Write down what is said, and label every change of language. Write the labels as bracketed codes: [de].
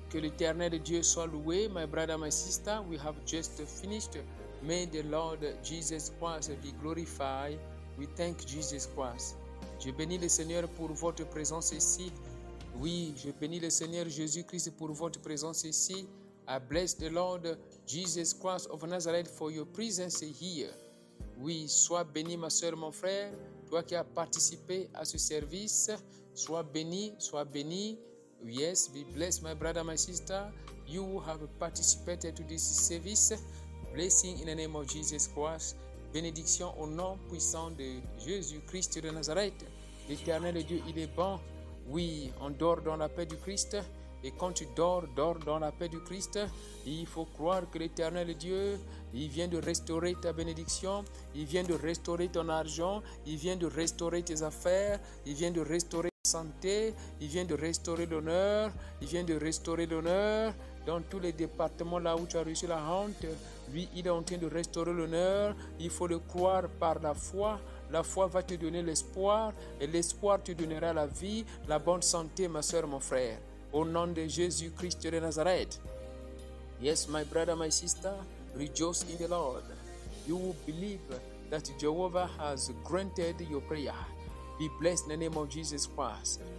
[fr] Que l'Éternel de Dieu soit loué. [en] My brother, my sister, we have just finished. May the Lord Jesus Christ be glorified. We thank Jesus Christ. [fr] Je bénis le Seigneur pour votre présence ici. Oui, je bénis le Seigneur Jésus-Christ pour votre présence ici. [en] I bless the Lord Jesus Christ of Nazareth for your presence here. [fr] Oui, sois béni, ma soeur, mon frère, toi qui as participé à ce service. Sois béni. [en] Yes, be blessed, my brother, my sister. You have participated to this service. Blessing in the name of Jesus Christ. [fr] Bénédiction au nom puissant de Jésus-Christ de Nazareth. L'Éternel Dieu, il est bon. Oui, on dort dans la paix du Christ. Et quand tu dors dans la paix du Christ. Il faut croire que l'Éternel Dieu, il vient de restaurer ta bénédiction. Il vient de restaurer ton argent. Il vient de restaurer tes affaires. Il vient de restaurer ta santé. Il vient de restaurer l'honneur. Il vient de restaurer l'honneur dans tous les départements là où tu as reçu la honte. Lui, il est en train de restaurer l'honneur. Il faut le croire par la foi. La foi va te donner l'espoir. Et l'espoir te donnera la vie, la bonne santé, ma soeur, mon frère. Au nom de Jésus-Christ de Nazareth. [en] Yes, my brother, my sister, rejoice in the Lord. You will believe that Jehovah has granted your prayer. Be blessed in the name of Jesus Christ.